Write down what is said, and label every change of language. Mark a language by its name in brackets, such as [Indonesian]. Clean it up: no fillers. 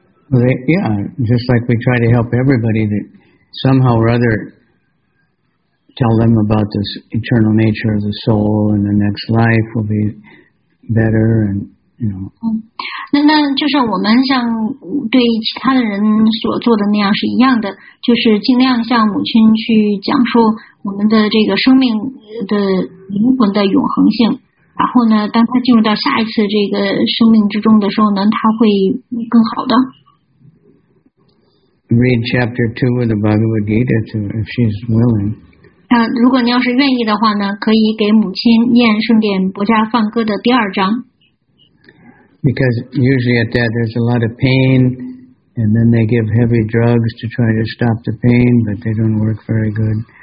[English] Well, just like we try to help everybody, that somehow or other tell them about this eternal nature of the soul and the next life will be better and. No. [Chinese] 那就是我们像对其他的人所做的那样是一样的，就是尽量向母亲去讲述我们的这个生命的灵魂的永恒性。然后呢，当他进入到下一次这个生命之中的时候呢，他会更好的。 [English] Read chapter 2 of the Bhagavad Gita to her, if she's willing. [Chinese] 如果你要是愿意的话呢，可以给母亲念《圣典·薄伽梵歌》的第二章。 [English] Because usually at that there's a lot of pain, and then they give heavy drugs to try to stop the pain, but they don't work very good.